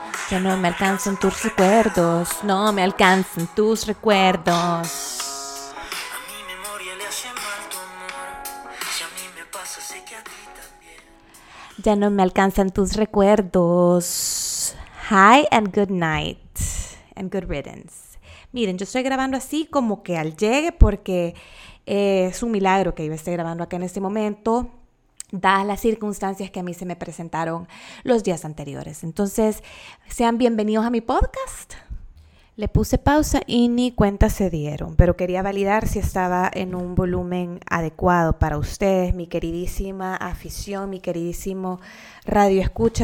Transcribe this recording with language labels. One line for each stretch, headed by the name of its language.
Spanish: Ya no me alcanzan tus recuerdos. No me alcanzan tus recuerdos. A mi memoria le hace mal tu amor. Si a mí me pasa, sé que a ti también. Ya no me alcanzan tus recuerdos.
English: Hi and good night and good riddance.
Spanish: Miren, yo estoy grabando así como que al llegue porque es un milagro que yo esté grabando acá en este momento, dadas las circunstancias que a mí se me presentaron los días anteriores. Entonces, sean bienvenidos a mi podcast. Le puse pausa y ni cuenta se dieron, pero quería validar si estaba en un volumen adecuado para ustedes, mi queridísima afición, mi queridísimo radio escucha.